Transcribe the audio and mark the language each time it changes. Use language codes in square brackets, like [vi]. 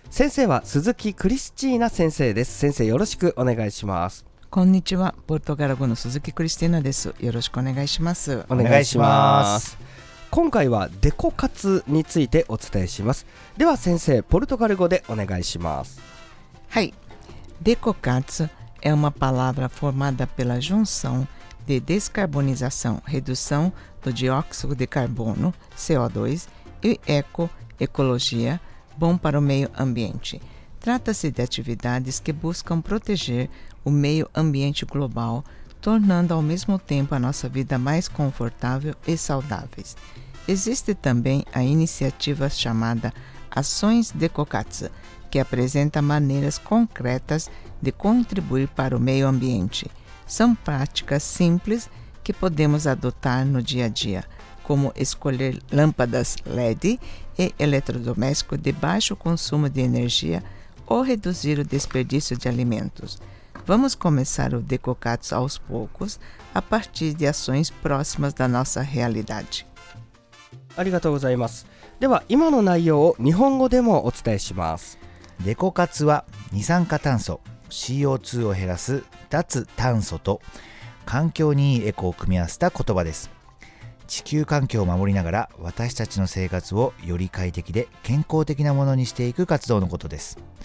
[ja] 先生は鈴木クリスティーナ先生です。先生よろしくお願いします。こんにちは、ポルトガル語の鈴木クリスティーナです。よろしくお願いします。お願いします。今回はデコ活についてお伝えします。では先生、ポルトガル語でお願いします。 [pt] はい、デコ活é uma palavra formada pela junção de descarbonização, redução do dióxido de carbono, CO2, e eco, ecologia, bom para o meio ambiente. Trata-se de atividades que buscam proteger o meio ambiente global, tornando ao mesmo tempo a nossa vida mais confortável e saudáveis. Existe também a iniciativa chamada Ações Dekokatsu, que apresenta maneiras concretas de contribuir para o meio ambiente. São práticas simples que podemos adotar no dia a dia, como escolher lâmpadas LED e eletrodomésticos de baixo consumo de energia ou reduzir o desperdício de alimentos. Vamos começar o Dekokatsu aos poucos, a partir de ações próximas da nossa realidade. Obrigado. [ja] では今の内容を日本語でもお伝えします。デコ活は二酸化炭素 CO2 を減らす脱炭素と環境にいいエコを組み合わせた言葉です。地球環境を守りながら私たちの生活をより快適で健康的なものにしていく活動のことです。